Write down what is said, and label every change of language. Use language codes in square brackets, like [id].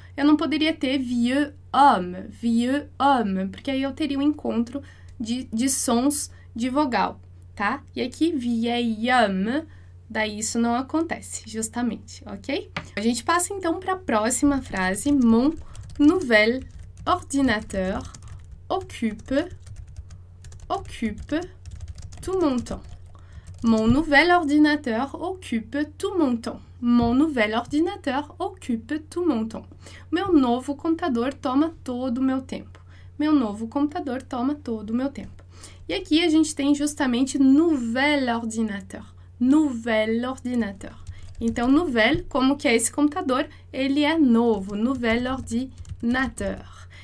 [pt] Eu não poderia ter vieux homme, porque aí eu teria um encontro de sons de vogal, tá? E aqui, vieil homme, daí isso não acontece, justamente, ok? A gente passa então para a próxima frase. [fr] Mon nouvel ordinateur occupe tout mon temps. Mon nouvel ordinateur occupe tout mon temps. Mon nouvel ordinateur occupe tout mon temps. [pt] Meu novo computador toma todo o meu tempo. Meu novo computador toma todo o meu tempo. E aqui a gente tem justamente nouvel ordinateur. Nouvel ordinateur. Então, nouvel, como que é esse computador? Ele é novo, nouvel ordinateur.